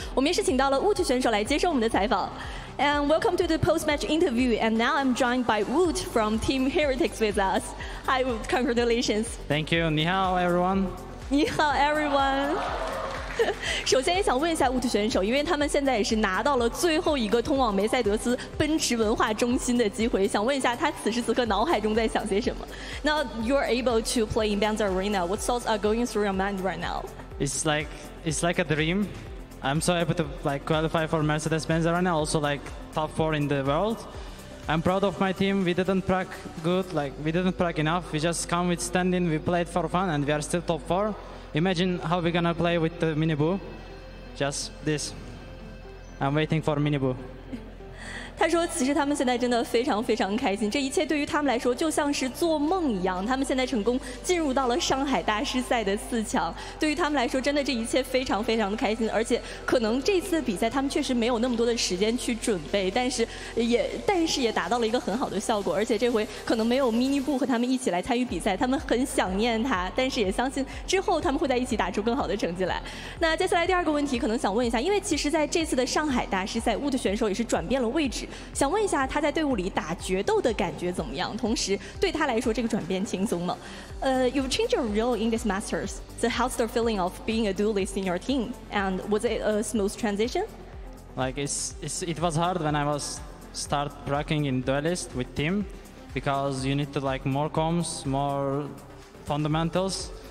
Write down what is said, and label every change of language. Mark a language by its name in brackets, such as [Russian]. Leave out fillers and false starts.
[Chinese] 我们也是请到了 Woot 选手来接受我们的采访。 [English] And welcome to the post-match interview. And now I'm joined by Woot from Team Heretix with us. Hi, Woot. Congratulations. Thank you. 你好 everyone. 你好 everyone. [Chinese] 首先也想问一下 Woot 选手，因为他们现在也是拿到了最后一个通往梅赛德斯奔驰文化中心的机会，想问一下他此时此刻脑海中在想些什么。 [English] Now you're able to play in Benz Arena. What thoughts are going through your mind right now? It's like a dream. I'm so happy to like qualify for Mercedes-Benz Arena, also like top four in the world. I'm proud of my team. We didn't prac good, like we didn't prac enough. We just come with standing, we played for fun, and we are still top four. Imagine how we're gonna play with the Minibu. Just this. I'm waiting for Minibu. [Chinese] 他说其实他们现在真的非常非常开心，这一切对于他们来说就像是做梦一样，他们现在成功进入到了上海大师赛的四强，对于他们来说真的这一切非常非常的开心。而且可能这次比赛他们确实没有那么多的时间去准备，但是也达到了一个很好的效果。而且这回可能没有 Mini Boo 和他们一起来参与比赛，他们很想念他，但是也相信之后他们会在一起打出更好的成绩来。那接下来第二个问题可能想问一下，因为其实在这次的上海大师赛 Wood 选手也是转变了位置，想问一下他在队伍里打决斗的感觉怎么样？同时对他来说这个转变轻松吗？ [English] You changed your role in this Masters. So how's the feeling of being a duelist in your team? And was it a smooth transition? Like it was hard when I was start practicing in duelist with team, because you need to like more comms, more fundamentals.